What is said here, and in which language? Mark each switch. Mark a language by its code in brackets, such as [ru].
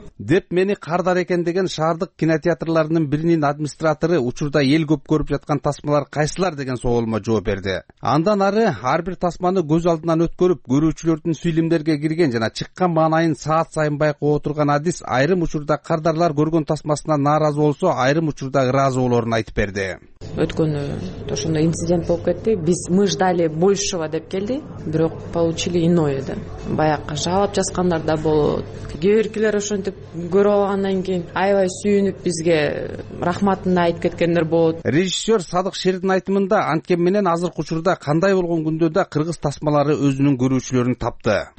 [ky] Деп мени кардар экен деген шаардык кинотеатрларынын биринин администратору учурда эл көп көрүп жаткан тасмалар кайсылар деген суоолума жооп берди. Андан ары ар бир тасманы көз алдынан өткөрүп, көрүүчүлөрдүн сүйлөмдөргө кирген жана чыккан маанайын саат сайын байкоо отурган адис айрым учурда кардарлар көргөн тасмасына нааразы болсо, айрым учурда ыраазы болорун айтып берди. Өткөнү ошондой инцидент болуп кетти. Биз [ru] мы ждали большего [ky] деп келди, бирок [ru] получили иное [ky] да. Баягы жалоб жазгандар да болот. Кээ биркилер ошентип көрүп алгандан кийин аябай сүйүнүп бизге рахматын айтып кеткендер болот. Режиссер Садык Шердин айтымында анткен менен азыркы учурда кандай болгон күндө да кыргыз тасмалары өзүнүн көрүүчүлөрүн тапты.